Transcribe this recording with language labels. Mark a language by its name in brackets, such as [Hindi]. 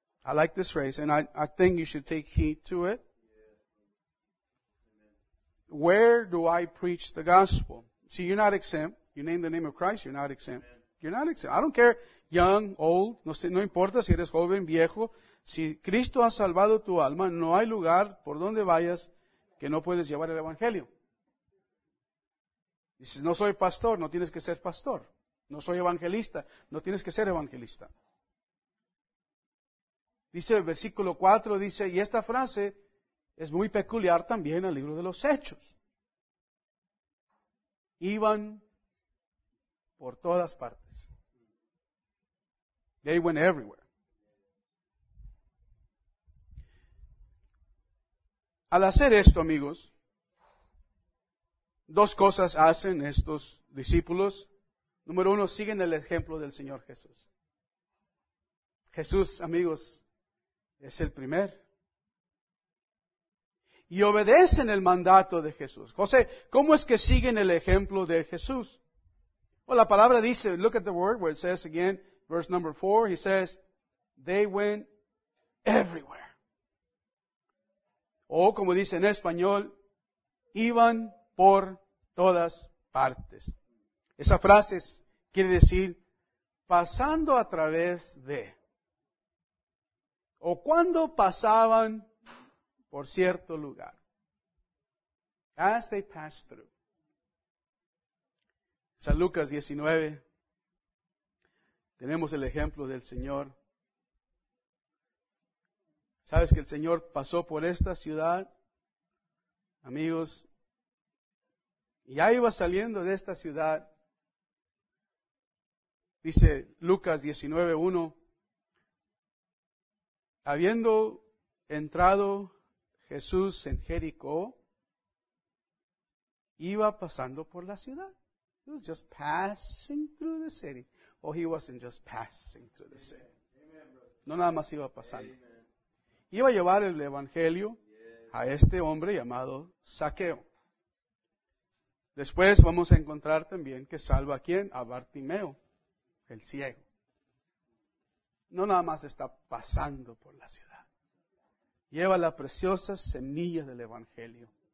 [English] I like this phrase, and I think you should take heed to it. Where do I preach the gospel? See, you're not exempt. You name the name of Christ, you're not exempt. You're not exempt. I don't care, young, old, [Spanish] no importa si eres joven, viejo. Si Cristo ha salvado tu alma, no hay lugar por donde vayas que no puedes llevar el Evangelio. Dices, no soy pastor, no tienes que ser pastor. No soy evangelista, no tienes que ser evangelista. Dice el versículo 4, dice, y esta frase es muy peculiar también al libro de los Hechos. Iban por todas partes. [English] They went everywhere. [Spanish] Al hacer esto, amigos, dos cosas hacen estos discípulos. Número uno, siguen el ejemplo del Señor Jesús. Jesús, amigos, es el primer. Y obedecen el mandato de Jesús. José, ¿cómo es que siguen el ejemplo de Jesús? [English] Well, [Spanish] la palabra dice, [English] look at the word where it says again, verse number 4, he says, they went everywhere. [Spanish] O, como dice en español, iban por todas partes. Esa frase quiere decir pasando a través de. O cuando pasaban por cierto lugar. [English] As they passed through. [Spanish] San Lucas 19. Tenemos el ejemplo del Señor. ¿Sabes que el Señor pasó por esta ciudad, amigos? Y ya iba saliendo de esta ciudad. Dice Lucas 19:1. Habiendo entrado Jesús en Jericó, iba pasando por la ciudad. [English] He was just passing through the city. Or he wasn't just passing through the city. [Spanish] No nada más iba pasando. Iba a llevar el Evangelio a este hombre llamado Zaqueo. Después vamos a encontrar también que salva a quién, a Bartimeo, el ciego. No nada más está pasando por la ciudad. Lleva la preciosa semilla del Evangelio.